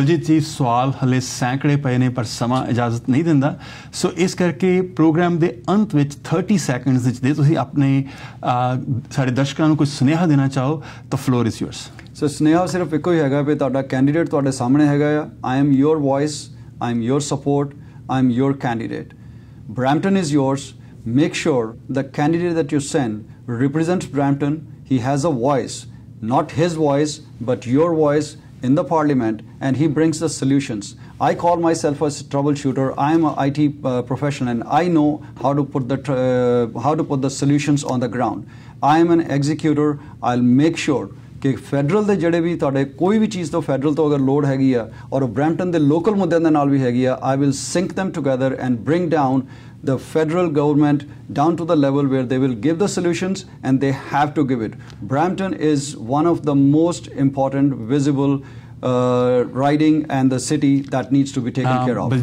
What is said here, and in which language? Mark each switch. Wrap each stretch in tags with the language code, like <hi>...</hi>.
<pa>ਬਲਜੀਤ ਜੀ, ਸਵਾਲ ਹਲੇ ਸੈਂਕੜੇ ਪਏ ਨੇ ਪਰ ਸਮਾਂ ਇਜਾਜ਼ਤ ਨਹੀਂ ਦਿੰਦਾ, ਸੋ ਇਸ ਕਰਕੇ ਪ੍ਰੋਗਰਾਮ ਦੇ ਅੰਤ ਵਿੱਚ 30 seconds ਵਿੱਚ ਦੇ ਤੁਸੀਂ ਆਪਣੇ ਸਾਡੇ ਦਰਸ਼ਕਾਂ ਨੂੰ ਕੁਝ ਸੁਨੇਹਾ ਦੇਣਾ ਚਾਹੋ ਤਾਂ</pa> <en>Floor is yours.</en> <pa>ਸੋ ਸੁਨੇਹਾ ਸਿਰਫ ਇੱਕੋ ਹੀ ਹੈਗਾ ਵੀ ਤੁਹਾਡਾ ਕੈਂਡੀਡੇਟ ਤੁਹਾਡੇ ਸਾਹਮਣੇ ਹੈਗਾ ਆ.</pa> <en>I am your voice, I am your support, I am your candidate. Brampton is yours. Make sure the candidate that you send represents Brampton, he has a voice, not his voice, but your voice in the parliament, and he brings the solutions. I call myself a troubleshooter. I am an IT professional, and I know how to put the solutions on the ground. I am an executor. I'll make sure</en> <pa>ਕਿ federal ਦੇ ਜਿਹੜੇ ਵੀ ਤੁਹਾਡੇ ਕੋਈ ਵੀ ਚੀਜ਼ ਤੋਂ federal ਤੋਂ ਅਗਰ load ਹੈਗੀ ਆ</pa> <en>ਔਰ ਬ੍ਰੈਂਪਟਨ ਦੇ ਲੋਕਲ ਮੁੱਦਿਆਂ ਦੇ ਨਾਲ ਵੀ ਹੈਗੀ ਆ I will sync them together and bring down the federal government down to the level where they will give the solutions and they have to give it Brampton is one of the most important visible riding and the city that needs to be taken care of</en>